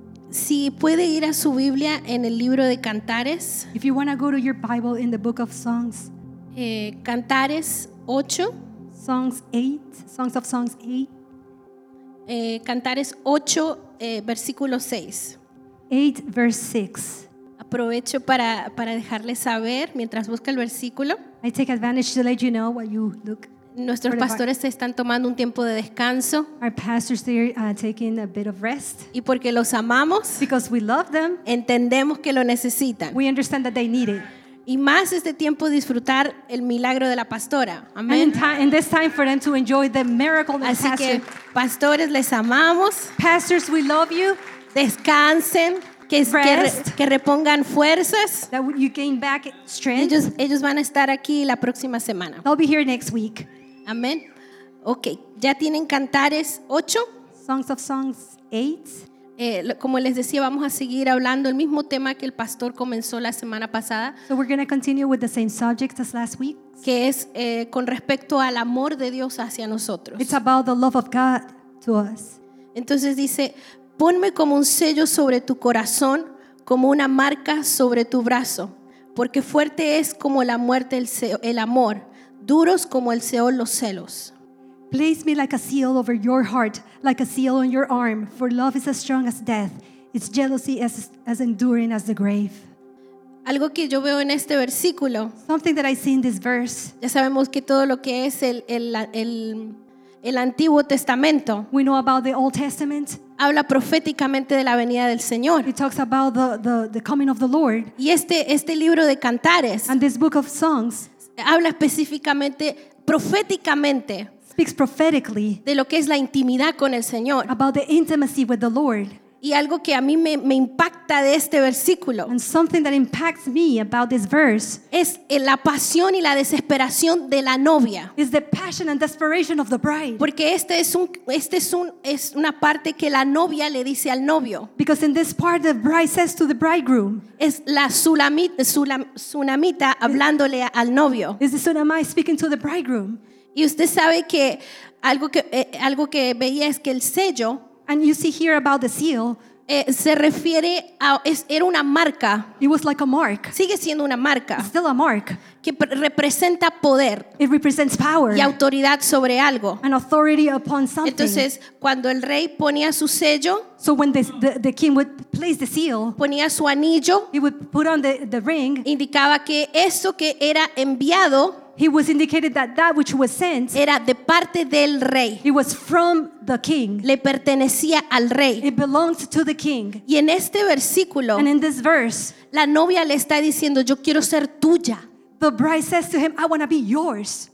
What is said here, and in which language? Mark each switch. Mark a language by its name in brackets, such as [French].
[Spanish] Si puede ir a su Biblia en el libro de Cantares. [English] If you want to go to your Bible in the book of Songs. [Spanish] Cantares 8. [English] Songs 8. Songs of Songs 8. [Spanish] Cantares 8, versículo 6. [English] 8, verse 6. [Spanish] Aprovecho para dejarles saber mientras busca el versículo. [English] I take advantage to let you know while you look. [Spanish] Nuestros pastores están tomando un tiempo de descanso. [English] Our pastors, they're taking a bit of rest. [Spanish] Y porque los amamos, [English] because we love them, [Spanish] entendemos que lo necesitan. [English] We understand that they need it. [Spanish] Y más este tiempo disfrutar el milagro de la pastora. Amén. [English] And in this time for them to enjoy the miracle of the pastor. [Spanish] Así que pastores, les amamos. [English] Pastors, we love you. [Spanish] Descansen. Que repongan fuerzas. [English] That you gain back strength. [Spanish] Ellos van a estar aquí la próxima semana. [English] They'll be here next week. [Spanish] Amén. Okay. Ya tienen Cantares 8. [English] Songs of Songs 8. [Spanish] Como les decía, vamos a seguir hablando el mismo tema que el pastor comenzó la semana pasada. [English] So we're going to continue with the same subject as last week. [Spanish] Que es con respecto al amor de Dios hacia nosotros. [English] It's about the love of God to us. [Spanish] Entonces dice, ponme como un sello sobre tu corazón, como una marca sobre tu brazo, porque fuerte es como la muerte el amor, duros como el Seol los celos. [English] Place me like a seal over your heart, like a seal on your arm, for love is as strong as death, its jealousy as enduring as the grave. [Spanish] Algo que yo veo en este versículo. [English] Something that I see in this verse. [Spanish] Ya sabemos que todo lo que es el Antiguo Testamento. [English] We know about the Old Testament. [Spanish] Habla proféticamente de la venida del Señor. [English] It talks about the coming of the Lord. [Spanish] Y este libro de Cantares. [English] And this book of Songs. [Spanish] Habla específicamente, proféticamente. [English] Speaks prophetically [Spanish] de lo que es la intimidad con el Señor. [English] About the intimacy with the Lord. [Spanish] Y algo que a mí me impacta de este versículo. [English] And something that impacts me about this verse [Spanish] es la pasión y la desesperación de la novia. [English] Is the passion and desperation of the bride. [Spanish] Porque es una parte que la novia le dice al novio. [English] Because in this part the bride says to the bridegroom. [Spanish] Es la sunamita hablándole al novio. [English] Is the sunamite speaking to the bridegroom. [Spanish] Y usted sabe que algo que veía es que el sello, [English] and you see here about the seal, [Spanish] se refiere a era una marca. [English] It was like a mark. [Spanish] Sigue siendo una marca. [English] It's still a mark. [Spanish] Que representa poder. [English] It represents power. [Spanish] Y autoridad sobre algo. [English] An authority upon something. [Spanish] Entonces, cuando el rey ponía su sello, [English] so when the king would place the seal, [Spanish] ponía su anillo, [English] he would put on the ring, [Spanish] indicaba que eso que era enviado. [English] He was indicated that which was sent [Spanish] era de parte del rey. [English] It was from the king. [Spanish] Le pertenecía al rey. [English] It belongs to the king. [Spanish] Y en este versículo, [English] and in this verse, [Spanish] la novia le está diciendo, yo quiero ser tuya. [English] The bride says to him, I want to be yours.